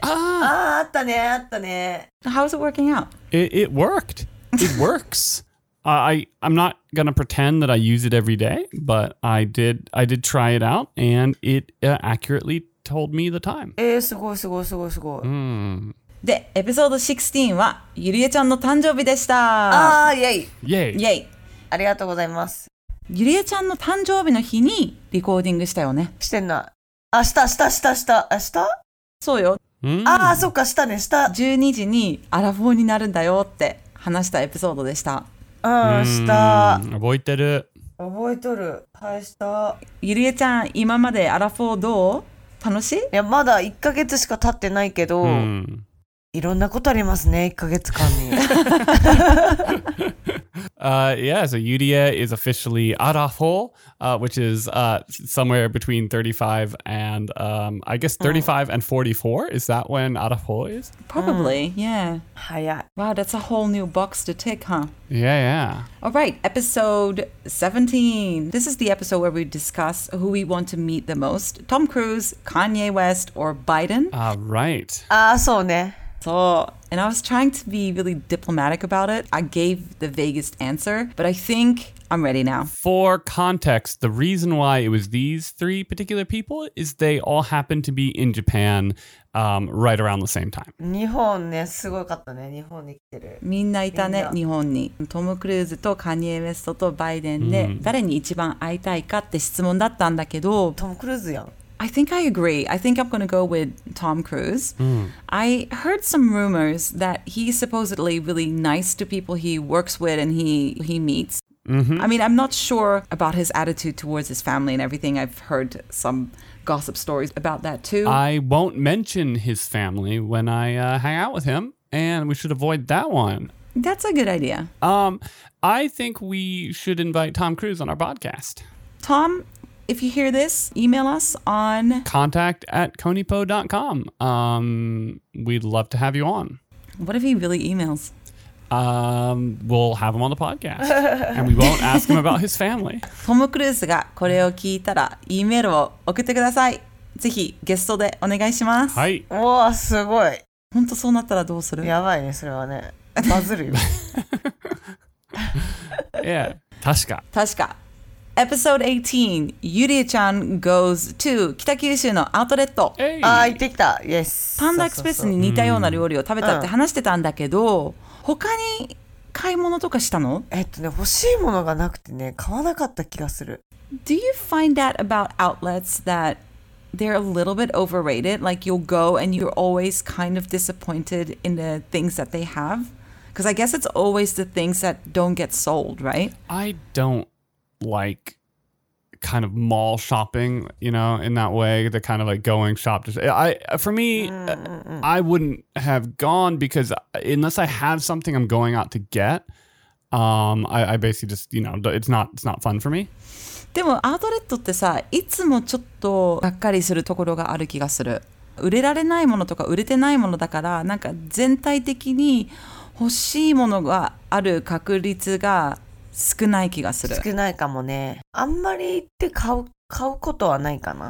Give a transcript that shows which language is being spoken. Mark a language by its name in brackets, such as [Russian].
[Japanese] ああ、あったね、あったね。 [English] How's it working out? It worked. It works. I'm not gonna pretend that I use it every day, but I did try it out, and it accurately told me the time. [Japanese] すごいすごいすごいすごい。で、エピソード16はゆりえちゃんの誕生日でした。ああ、イエイ。イエイ。イエイ。ありがとうございます。ゆりえちゃんの誕生日の日にレコーディングしたよね。してんな。明日、明日、明日、明日、明日。そうよ。ああ、そっか、したね、した。 12時にアラフォーになるんだよって話したエピソードでした。うん、した。覚えてる。覚えとる。大した。ゆりえちゃん、今までアラフォーどう？楽しい？いや、まだ1ヶ月しか経ってないけど、いろんなことありますね、1ヶ月間に。 [English] yeah, so Yurie is officially arafo, which is somewhere between 35 and, I guess 35 and 44. Is that when arafo is? Probably, yeah. Wow, that's a whole new box to tick, huh? Yeah, yeah. All right, episode 17. This is the episode where we discuss who we want to meet the most. Tom Cruise, Kanye West, or Biden? Right. So, So, and I was trying to be really diplomatic about it. I gave the vaguest answer, but I think I'm ready now. For context, the reason why it was these three particular people is they all happened to be in Japan right around the same time. [Japanese] 日本ね、すごかったね。日本に来てる。みんないたね、日本に。トム・クルーズとカニエ・ウェストとバイデンで、誰に一番会いたいかって質問だったんだけど、トム・クルーズやん。 [English] I think I agree. I think I'm going to go with Tom Cruise. I heard some rumors that he's supposedly really nice to people he works with and he meets. I mean, I'm not sure about his attitude towards his family and everything. I've heard some gossip stories about that too. I won't mention his family when I hang out with him, and we should avoid that one. That's a good idea. I think we should invite Tom Cruise on our podcast. Tom, if you hear this, email us on contact@konipo.com. We'd love to have you on. What if he really emails? We'll have him on the podcast. And we won't ask him about his family. [Japanese] トム・クルーズがこれを聞いたら、E メールを送ってください。ぜひゲストでお願いします。はい。うわ、すごい。本当そうなったらどうする？やばいね、それはね。バズるよ。いや、確か。確か。 [English] Episode 18, Yurie-chan goes to [Japanese] 北九州のアウトレット。 Hey. ああ、行ってきた。Yes. パンダエクスプレスに似たような料理を食べたって話してたんだけど、他に買い物とかしたの？ね、欲しいものがなくてね、買わなかった気がする。 [English] Do you find that about outlets that they're a little bit overrated? Like you'll go and you're always kind of disappointed in the things that they have? Because I guess it's always the things that don't get sold, right? I don't. Like, kind of mall shopping, you know, in that way, the kind of like going shop. To, for me, I wouldn't have gone because unless I have something I'm going out to get, I basically just, you know, it's not fun for me. [Japanese] でもアウトレットってさ、いつもちょっとがっかりするところがある気がする。売れられないものとか売れてないものだから、なんか全体的に欲しいものがある確率が少ない気がする。少ないかもね。あんまり行って買うことはないかな。